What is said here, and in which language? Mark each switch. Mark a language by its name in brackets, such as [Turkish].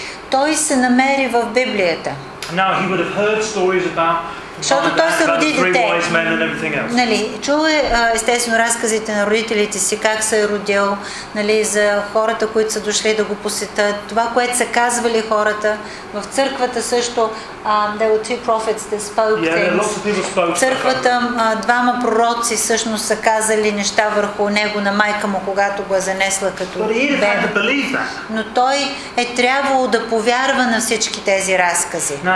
[Bulgarian] Той се намери в Библията. [English] Now he would have heard stories about [Bulgarian] защото той се роди дете. Нали, чул е естествено разказите на родителите си, как се е родил, нали, за хората, които са дошли да го посетят, това, което са казвали хората в църквата също. [English] There were two prophets that spoke things. [Bulgarian] Църквата, двама пророци всъщност са казали неща върху него на майка му, когато го е занесла като бебе. Но той е трябвало да повярва на всички тези разкази.